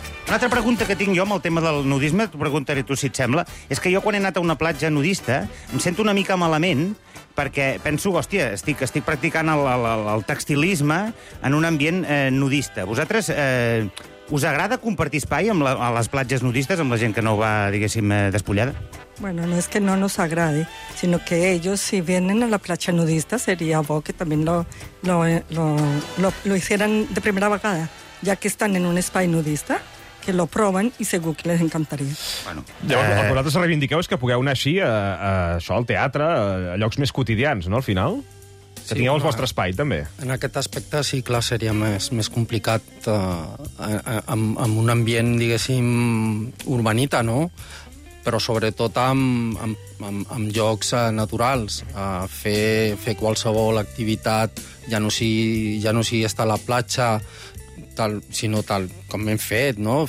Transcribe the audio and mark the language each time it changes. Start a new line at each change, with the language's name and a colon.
Catalan: Una altra pregunta que tinc jo amb el tema del nudisme, t'ho preguntaré tu si et sembla, és que jo quan he anat a una platja nudista em sento una mica malament, perquè penso, hòstia, estic practicant el textilisme en un ambient nudista. Vosaltres, us agrada compartir espai amb a les platges nudistes, amb la gent que no va, diguéssim, despullada?
Spanish: Bueno, no es que no nos agrade, sino que ellos, si vienen a la
Catalan: platja nudista,
Spanish: sería bo que también lo hicieran
Catalan: de primera vegada,
Spanish: ya que están en un espai nudista, que lo proven
Catalan: i segur que les encantaria. Bueno, llavors, el que vosaltres reivindiqueu és que pugueu anar així això, al teatre, a llocs més quotidians, no?, al final. Que tingueu el vostre espai, també. En aquest aspecte, sí, clar, seria més complicat amb un ambient, diguéssim, urbanita, no?, però sobretot amb llocs naturals, a fer qualsevol activitat, ja no sigui estar a la platja, sinó com hem fet, no?